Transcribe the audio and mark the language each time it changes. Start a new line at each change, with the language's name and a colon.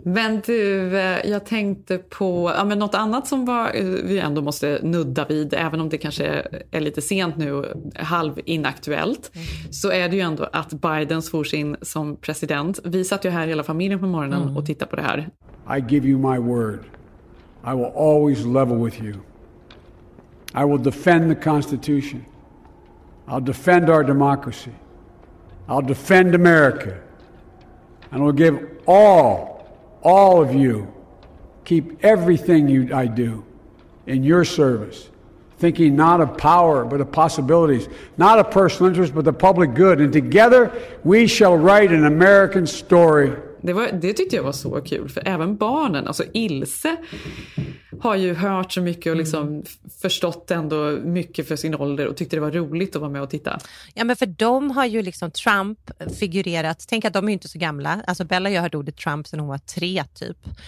Swedish: Men du, jag tänkte på men något annat som vi ändå måste nudda vid, även om det kanske är lite sent nu, halv inaktuellt, så är det ju ändå att Biden svor sin som president. Vi satt ju här hela familjen på morgonen och tittade på det här.
English: I give you my word. I will always level with you. I will defend the Constitution. I'll defend our democracy. I'll defend America. And I'll give all of you, keep everything I do in your service, thinking not of power, but of possibilities, not of personal interest, but the public good. And together, we shall write an American story.
Swedish: Det tyckte jag var så kul, för även barnen, alltså Ilse, har ju hört så mycket och liksom förstått ändå mycket för sin ålder och tyckte det var roligt att vara med och titta. Ja, men för de har ju liksom Trump figurerat. Tänk att de är ju inte så gamla. Alltså Bella och jag hörde ordet Trump sedan hon var 3 typ.